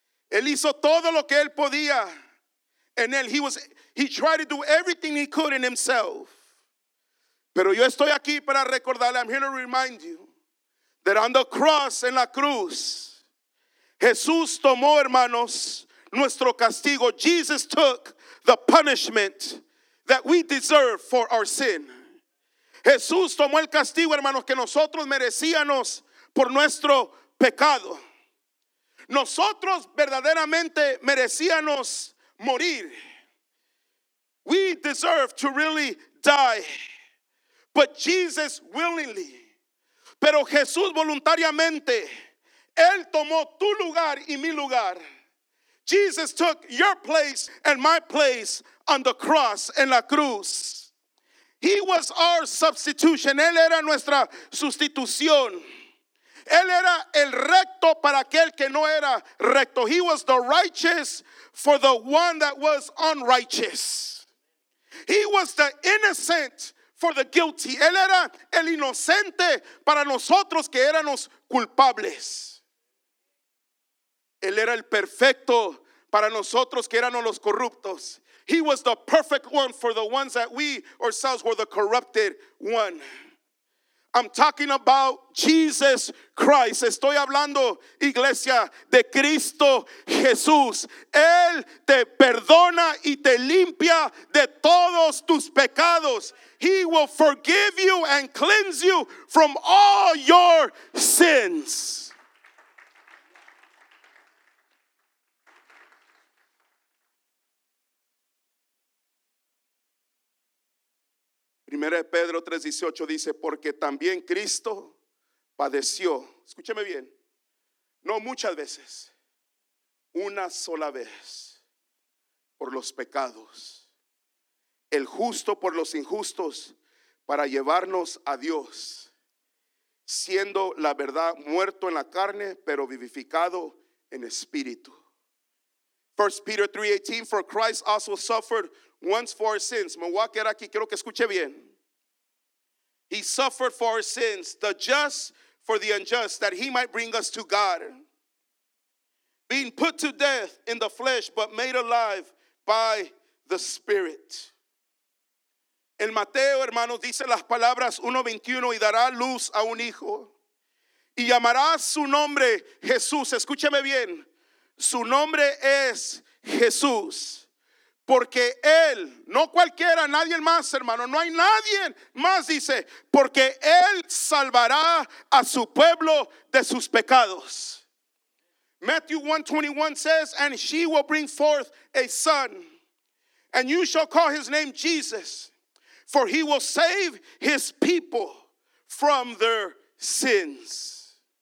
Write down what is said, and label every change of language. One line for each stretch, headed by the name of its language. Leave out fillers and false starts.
Spanish: Él hizo todo lo que él podía en él.
English: He tried to do everything he could in himself.
Spanish: Pero yo estoy aquí para recordarle,
English: I'm here to remind you, that on the cross,
Spanish: en la cruz, Jesús tomó, hermanos, nuestro castigo.
English: Jesus took the punishment that we deserve for our sin.
Spanish: Jesús tomó el castigo, hermanos, que nosotros merecíamos por nuestro pecado. Nosotros verdaderamente merecíamos morir.
English: We deserve to really die. But Jesus willingly.
Spanish: Pero Jesús voluntariamente. Él tomó tu lugar y mi lugar.
English: Jesus took your place and my place on the cross,
Spanish: en la cruz.
English: He was our substitution.
Spanish: Él era nuestra sustitución. Él era el recto para aquel que no era recto.
English: He was the righteous for the one that was unrighteous. He was the innocent for the guilty.
Spanish: Él era el inocente para nosotros que éramos culpables. Él era el perfecto para nosotros que éramos los corruptos.
English: He was the perfect one for the ones that we ourselves were the corrupted one. I'm talking about Jesus Christ.
Spanish: Estoy hablando, iglesia, de Cristo Jesús. Él te perdona y te limpia de todos tus pecados.
English: He will forgive you and cleanse you from all your sins.
Spanish: Primera de Pedro 3:18 dice, porque también Cristo padeció, escúcheme bien, no muchas veces, una sola vez, por los pecados, el justo por los injustos, para llevarnos a Dios, siendo la verdad muerto en la carne, pero vivificado en espíritu.
English: 1 Peter 3:18, for Christ also suffered once for our sins.
Spanish: Me voy a quedar aquí, quiero que escuche bien.
English: He suffered for our sins, the just for the unjust, that he might bring us to God. Being put to death in the flesh, but made alive by the Spirit.
Spanish: El Mateo, hermanos, dice las palabras 1:21, y dará luz a un hijo. Y llamará su nombre Jesús. Escúcheme bien. Su nombre es Jesús. Porque él, no cualquiera, nadie más, hermano, no hay nadie más, dice, porque él salvará a su pueblo de sus pecados.
English: Matthew 1:21 says, and she will bring forth a son, and you shall call his name Jesus, for he will save his people from their sins.